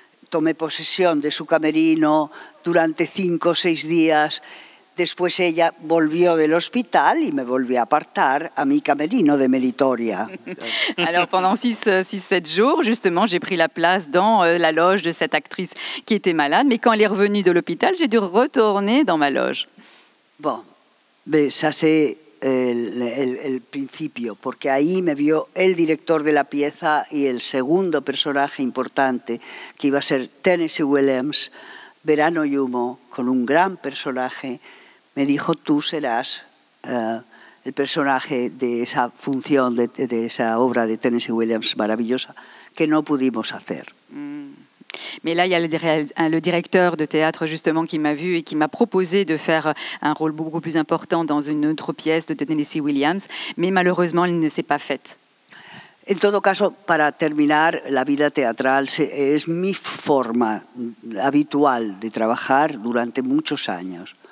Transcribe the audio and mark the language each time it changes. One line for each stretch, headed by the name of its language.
Spanish: Tomé posesión de su camerino durante 5 o 6 días. Después ella volvió del hospital y me volví a apartar a mi camerino de meritoria.
French: Alors pendant 6-7 jours, justement, j'ai pris la place dans la loge de cette actrice qui était malade. Mais quand elle est revenue de l'hôpital, j'ai dû retourner dans ma loge. Bon, mais ça c'est
Spanish: el principio, porque ahí me vio el director de la pieza y el segundo personaje importante, que iba a ser Tennessee Williams, Verano y Humo, con un gran personaje, me dijo, tú serás el personaje de esa función, de esa obra de Tennessee Williams maravillosa, que no pudimos hacer.
French: Mais là, il y a le directeur de théâtre justement qui m'a vu et qui m'a proposé de faire un rôle beaucoup plus important dans une autre pièce de Tennessee Williams. Mais malheureusement, elle ne s'est pas faite.
Spanish: En todo caso, para terminar, la vida teatral es mi forma habitual de trabajar durante muchos años.